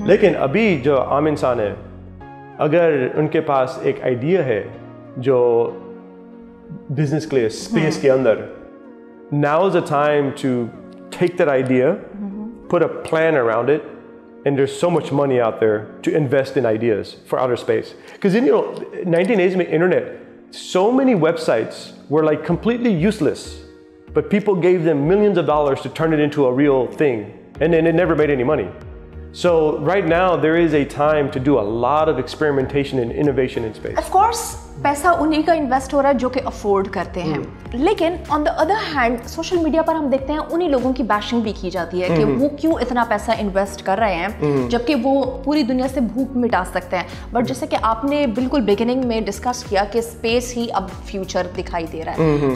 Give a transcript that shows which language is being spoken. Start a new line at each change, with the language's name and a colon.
Hindi: लेकिन अभी जो आम इंसान है, अगर उनके पास एक आइडिया है जो बिजनेस के लिए स्पेस के अंदर,
English: Now is a time to take that idea, put a plan around it, and there so much money out there to invest in ideas for outer space. Because you know 1980s में internet, so many websites were like completely useless, but people gave them millions of dollars to turn it into a real thing. And then it never made any money. So right now there is a time to do a lot of experimentation and innovation in space. Of course,
Hindi: पैसा उन्हीं का invest हो रहा है जो के afford करते हैं. लेकिन
English: on the other hand,
Hindi: social media पर हम देखते हैं उन्हीं लोगों की bashing भी की जाती है कि वो क्यों इतना पैसा invest कर रहे हैं जबकि वो पूरी दुनिया से भूख मिटा सकते हैं. But जैसे कि आपने बिल्कुल beginning में discuss किया कि space ही अब future दिखाई दे रहा है.